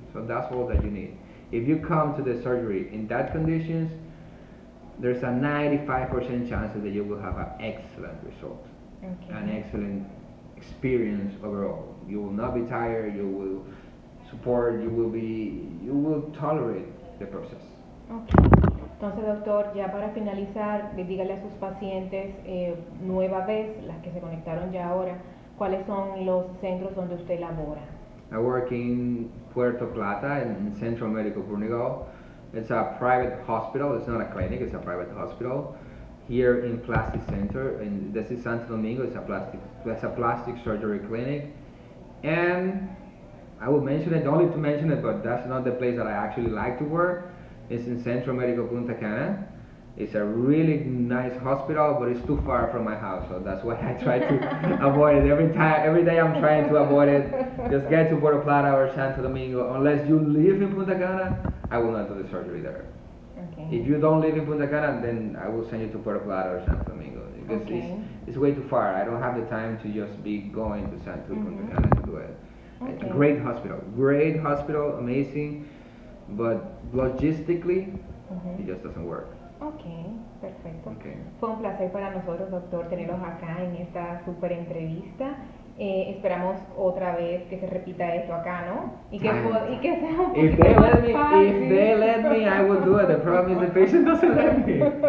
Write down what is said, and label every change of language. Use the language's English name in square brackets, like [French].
[English] So that's all that you need. If you come to the surgery in that conditions, there's a 95% chance that you will have an excellent result. Okay. An excellent experience overall. You will not be tired, you will support, you will tolerate the process. Okay. [Spanish] Entonces, doctor, ya para finalizar, dígale a sus pacientes nueva vez, las que se conectaron ya ahora, ¿cuáles son los centros donde usted labora? [English] I work in Puerto Plata in Central Medical Brunego. It's a private hospital, it's not a clinic, it's a private hospital. Here in Plastic Center, and this is Santo Domingo, it's a plastic surgery clinic. And I will mention it, only to mention it, but that's not the place that I actually like to work. It's in Central Medical Punta Cana. It's a really nice hospital, but it's too far from my house, so that's why I try to avoid it. Every day I'm trying to avoid it. Just get to Puerto Plata or Santo Domingo. Unless you live in Punta Cana, I will not do the surgery there. If you don't live in Punta Cana, then I will send you to Puerto Plata or Santo Domingo. Because okay. It's way too far. I don't have the time to just be going to Santo mm-hmm. Punta Cana to do it. Okay. A great hospital, amazing, but logistically, mm-hmm. it just doesn't work. [Spanish] Okay, perfecto. [English] Okay. [Spanish] Fue un placer para nosotros, doctor, tenerlos acá en esta super entrevista. Esperamos otra vez que se repita esto acá, ¿no? Y que sea un poquito [English] If they let me, I will do it. The problem is the patient doesn't let me.